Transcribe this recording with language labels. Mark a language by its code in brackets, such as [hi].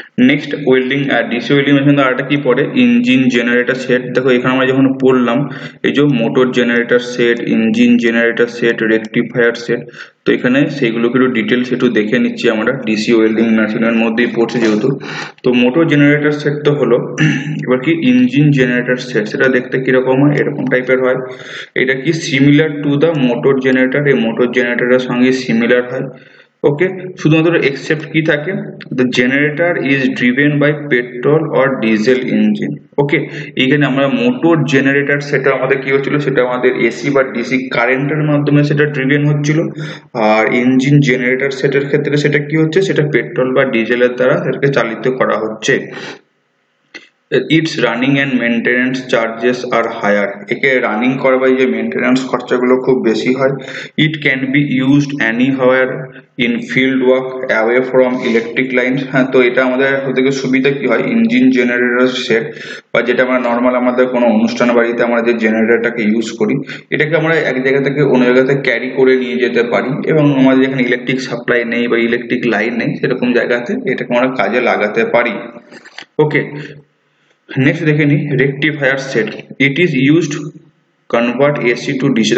[bn] Next welding আর DC welding machine আর একটা কি পড়ে ইঞ্জিন জেনারেটর সেট, দেখো এখানে আমরা যখন পড়লাম এই যে motor generator set engine generator set rectifier set, তো এখানে সেইগুলোকে একটু ডিটেলস একটু দেখে নিচ্ছি আমরা ডিসি ওয়েল্ডিং মেশিনের মধ্যেই পড়ছে যেহেতু। তো মোটর জেনারেটর সেট তো হলো, এবার কি ইঞ্জিন জেনারেটর সেট সেটা দেখতে কিরকম হয়, এরকম টাইপের হয়, এটা কি similar to the motor generator, এই মোটর জেনারেটরের সঙ্গে সিমিলার হয়। Okay, শুধুমাত্র except কি থাকে? [en] The generator is driven by petrol or diesel engine. [bn] Okay, এখানে আমরা motor generator সেটা আমাদের কি হচ্ছিল? সেটা আমাদের AC বা DC current এর মাধ্যমে সেটা driven হচ্ছিল। আর engine generator সেটার ক্ষেত্রে সেটা কি হচ্ছে? সেটা petrol বা diesel এর দ্বারা এটাকে চালিত করা হচ্ছে। [en] Its running and maintenance charges are higher. [bn] একে running করবার যে maintenance খরচাগুলো খুব বেশি হয়। [en] It can be used anywhere in field work away from electric lines. [bn] হ্যাঁ, তো এটা আমাদের হতে সুবিধা কি হয়? Engine generator set বা যেটা আমরা normal আমাদের কোনো অনুষ্ঠান বাড়িতে আমরা যে generatorটাকে use করি, এটাকে আমরা এক জায়গা থেকে অন্য জায়গাতে carry করে নিয়ে যেতে পারি এবং আমাদের যেখানে electric supply নেই বা electric line নেই সেরকম জায়গাতে এটাকে আমরা কাজে লাগাতে পারি। [en] Okay. Next, [bn] dekheni [en] rectifier set. It is used to convert AC to DC.